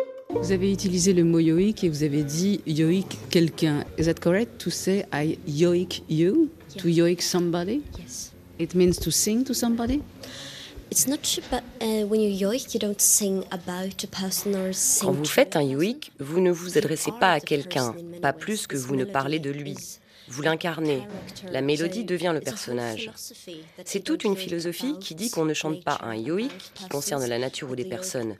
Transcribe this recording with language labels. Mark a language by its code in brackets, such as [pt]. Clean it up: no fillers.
[fr] Vous avez utilisé le mot yoik et vous avez dit yoik quelqu'un. [en] Is that correct to say I yoik you? Yes. To yoik somebody? Yes. It means to sing to somebody? It's not true, but when you yoik, you don't sing about a person or sing. [fr] Quand vous faites un yoik, vous ne vous adressez pas à quelqu'un, pas plus que vous ne parlez de lui. Vous l'incarnez. La mélodie devient le personnage. C'est toute une philosophie qui dit qu'on ne chante pas un yoik qui concerne la nature ou des personnes.